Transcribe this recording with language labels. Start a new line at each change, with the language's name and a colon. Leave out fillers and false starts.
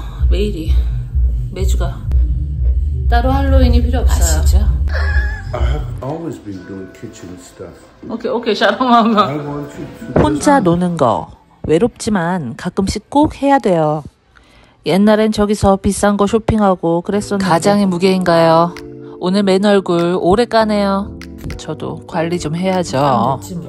Korean: 매일이 매주가 따로 할로윈이 필요 없어요. 아 진짜?
English: I've always been doing kitchen stuff.
Korean: 오케이 오케이 샤롱아. 혼자 노는 거 외롭지만 가끔씩 꼭 해야 돼요. 옛날엔 저기서 비싼 거 쇼핑하고 그랬었는데 가장의 무게인가요? 오늘 맨 얼굴 오래 까네요. 저도 관리 좀 해야죠.